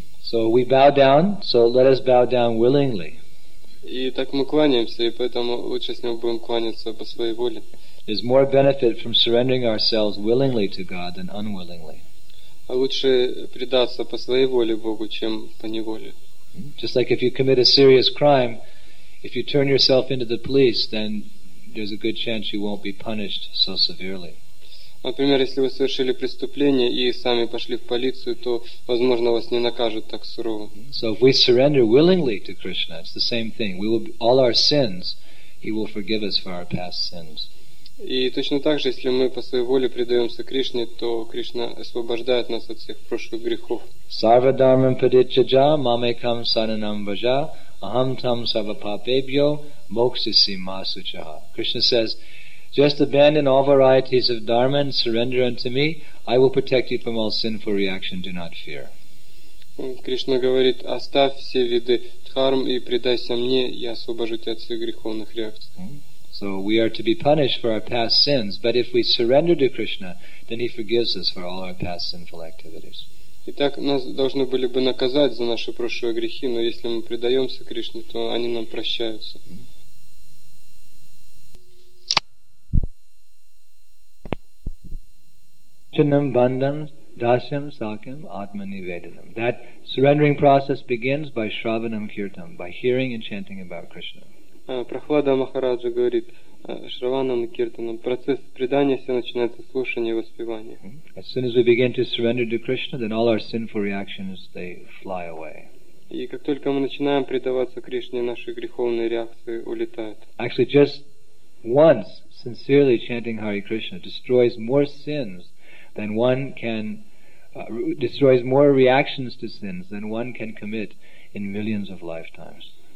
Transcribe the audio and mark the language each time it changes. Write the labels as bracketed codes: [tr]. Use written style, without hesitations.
[en] So we bow down, so let us bow down willingly. [ru] И так мы кланяемся, и поэтому лучше с ним будем кланяться по своей воле. [en] There's more benefit from surrendering ourselves willingly to God than unwillingly. [ru] А лучше предаться по своей воле Богу, чем по неволе. [en] Just like if you commit a serious crime, if you turn yourself into the police, then there's a good chance you won't be punished so severely. [ru] Например, если вы совершили преступление и сами пошли в полицию, то, возможно, вас не накажут так сурово. [en] So if we surrender willingly to Krishna, it's the same thing. We will be, all our sins, He will forgive us for our past sins. [ru] И точно так же, если мы по своей воле предаемся Кришне, то Кришна освобождает нас от всех прошлых грехов. [sa] Sarva dharmam padichaja, mamekam saranam vaja, aham tam savapapebhyo, moksisi masuchaha. [en] Krishna says, just abandon all varieties of dharma and surrender unto me. I will protect you from all sinful reaction. Do not fear. [ru] Krishna говорит, оставь все виды дхарм и предайся мне, я освобожу тебя от всех греховных реакций. [en] So we are to be punished for our past sins, but if we surrender to Krishna, then He forgives us for all our past sinful activities. [ru] Итак, нас должны были бы наказать за наши прошлые грехи, но если мы предаемся Кришне, то они нам прощаются. [sa] Chinam bandham dasyam sakyam atmanivedanam. [en] That surrendering process begins by shravanam kirtam, by hearing and chanting about Krishna. [ru] Прахлада Махараджа говорит, шраванам киртанам, процесс предания все начинается с слушания и воспевания. [en] As soon as we begin to surrender to Krishna, then all our sinful reactions, they fly away. [ru] И как только мы начинаем предаваться Кришне, наши греховные реакции улетают. [en] Actually, just once sincerely chanting Hare Krishna destroys more sins than one can destroys more reactions to sins than one can commit in millions of lifetimes.